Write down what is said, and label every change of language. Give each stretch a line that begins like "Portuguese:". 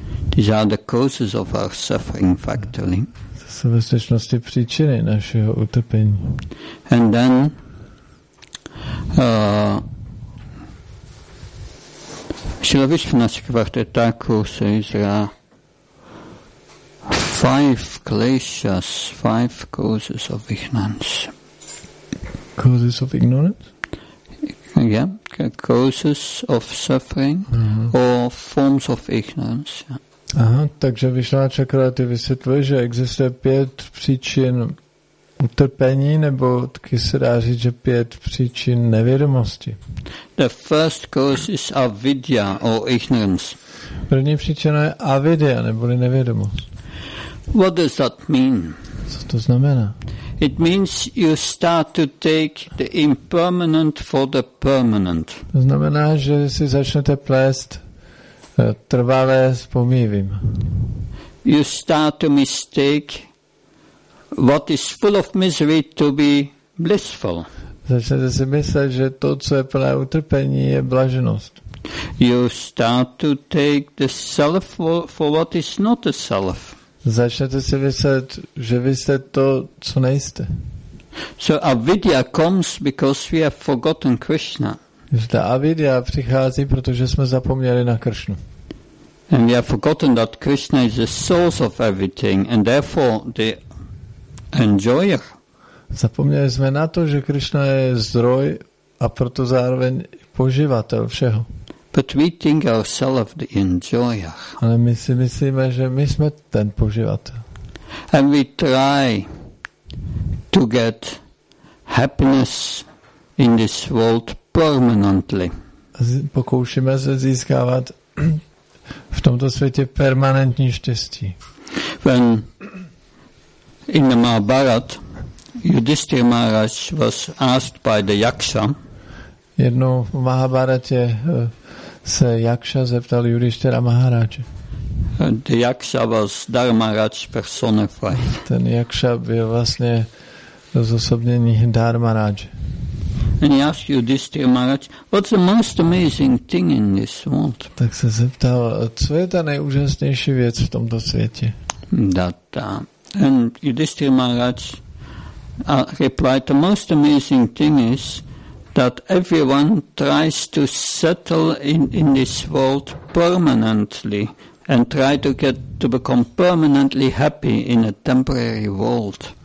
English: These are the causes of our suffering factually.
Czech: Jsou ve skutečnosti příčiny našeho utrpení.
English: And then Srila Vishvanatha Chakravarti Thakur says five kleshas, five causes of ignorance. Causes of ignorance? Yeah, causes of suffering or forms of ignorance. Yeah.
Czech: Aha, takže Vishnu Chakravarti vysvětluje, že existuje pět příčin utrpení, nebo taky se dá říct, že pět příčin nevědomosti.
English: The first cause is avidya or ignorance.
Czech: První příčina je avidya, neboli nevědomost.
English: What does that mean?
Czech: Co to znamená?
English: It means you start to take the impermanent for the permanent.
Czech: To znamená, že si začnete plést trvalé s pomývým.
English: You start to mistake what is full of misery to be blissful.
Czech: Začnete si myslet, že to, co je plné utrpení, je blaženost.
English: You start to take the self for what is not the self.
Czech: Začnete si myslet, že vy jste to, co nejste.
English: So avidya comes because we have forgotten Krishna.
Czech: Ta avidya přichází, protože jsme zapomněli na Kršnu.
English: And we have forgotten that Krishna is the source of everything and therefore the enjoyer.
Czech: Zapomněli jsme na to, že Krishna je zdroj a proto zároveň poživatel všeho.
English: But we think ourselves the enjoyer.
Czech: Ale my si myslíme, že my jsme ten poživatel.
English: And we try to get happiness in this world permanently.
Czech: Pokoušíme se získávat v tomto světě permanentní štěstí.
English: When in the Mahabharata, Yudhishthira Maharaj was asked by the Yaksha.
Czech: Jednou v Mahabharatě se Yaksha zeptal Yudhishthira Maharaje.
English: The Yaksha was Dharmaraj personified.
Czech: Ten Yaksha byl vlastně zosobnění Dharmaraje.
English: And he asked Yudhishthira Maharaj, what's the most amazing thing in this world?
Czech: Tak se zeptal, co je ta nejúžasnější věc v tomto světě?
English: That, and Yudhishthira Maharaj replied, the most amazing thing is that everyone tries to settle in this world permanently and try to get to become permanently happy in a temporary world.